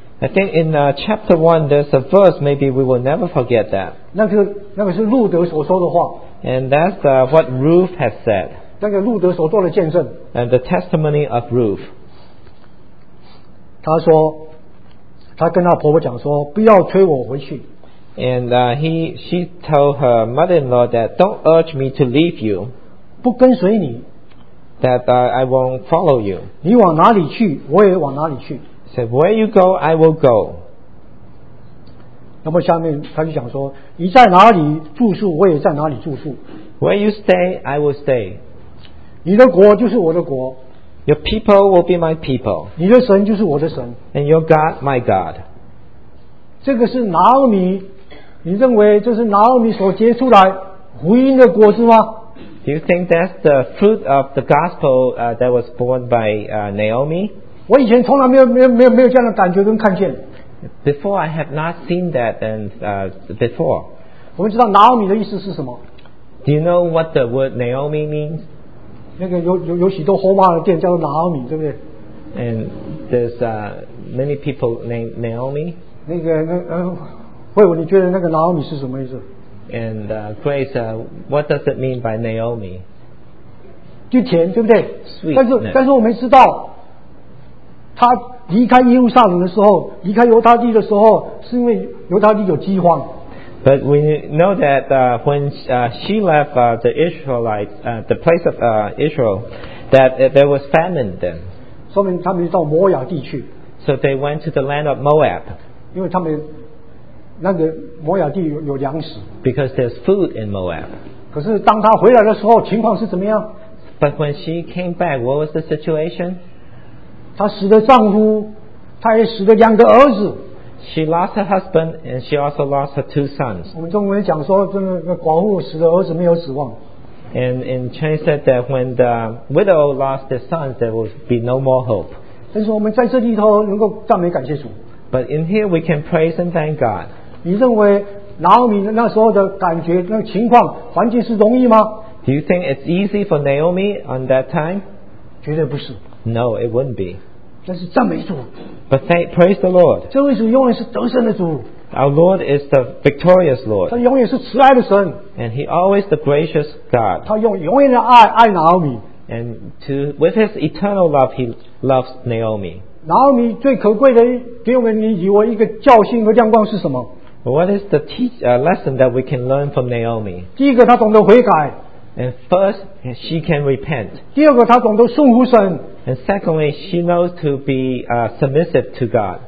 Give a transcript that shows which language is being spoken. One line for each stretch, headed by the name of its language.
English: I think in chapter 1 there's a verse, maybe we will never forget that.
Chinese: 那个是路德所说的话。
English: And that's what Ruth has said.
Chinese: 那个路德所做的见证。
English: And the testimony of Ruth.
Chinese: 他说, 他跟他婆婆讲说, 不要催我回去。
English: And she told her mother-in-law that, don't urge me to leave you.
Chinese: 不跟随你。
English: That I won't follow you.
Chinese: 你往哪里去, 我也往哪里去。
English: Said, where you go, I will go.
Chinese: 那么下面他就讲说, 你在哪里住宿, 我也在哪里住宿。
English: Where you stay, I will stay.
Chinese: 你的国就是我的国。
English: Your people will be my people.
Chinese: 你的神就是我的神。
English: And your God, my God.
Chinese: 这个是拿俄米, 你认为这是拿俄米所结出来福音的果子吗?
English: Do you think that's the fruit of the gospel that was born by Naomi?
Chinese: 我以前从来没有这样的感觉跟看见。
English: Before I have not seen that and before.
Chinese: 我们知道拿俄米的意思是什么?
English: Do you know what the word Naomi means?
Chinese: 那个有许多荷马的店叫做拿奥米，对不对？
English: And there's many people named Naomi.
Chinese: 那个慧武，你觉得那个拿奥米是什么意思？
English: And Grace, what does it mean by Naomi?
Chinese: 就甜，对不对？
English: Sweet.
Chinese: 但是我们知道，他离开耶路撒冷的时候，离开犹太地的时候，是因为犹太地有饥荒。
English: But we know that when she left the Israelites, the place of Israel, that there was famine then.
Chinese: 说明他们到摩亚地去。
English: So they went to the land of Moab.
Chinese: 因为他们那个摩亚地有粮食。
English: Because there's food in Moab.
Chinese: 可是当他回来的时候，情况是怎么样？
English: But when she came back, what was the situation?
Chinese: 她死了丈夫，她也死了两个儿子。
English: She lost her husband and she also lost her two sons.
Chinese: 我们中文讲说，真的，寡妇死了儿子没有指望。
English: And in Chinese said that when the widow lost the sons, there would be no more hope.
Chinese: 但是我们在这里头能够赞美感谢主。
English: But in here we can praise and thank God.
Chinese: 你认为Naomi那时候的感觉、那个情况、环境是容易吗？
English: Do you think it's easy for Naomi on that time?
Chinese: 绝对不是。
English: No, it wouldn't be.
Chinese: 但是赞美主。
English: But praise the Lord.
Chinese: 这位主永远是得胜的主。
English: Our Lord is the victorious Lord.
Chinese: 他永远是慈爱的神。
English: And He always the gracious God.
Chinese: 他用永远的爱爱拿奥米。
English: And with His eternal love, He loves Naomi.
Chinese: 拿奥米最可贵的给我们以为一个教训和亮光是什么？
English: What is the lesson that we can learn from Naomi?
Chinese: 第一个，他懂得悔改。
English: And first, she can repent.
Chinese: 第二个，她懂得顺服神。
English: And secondly, she knows to be submissive to God.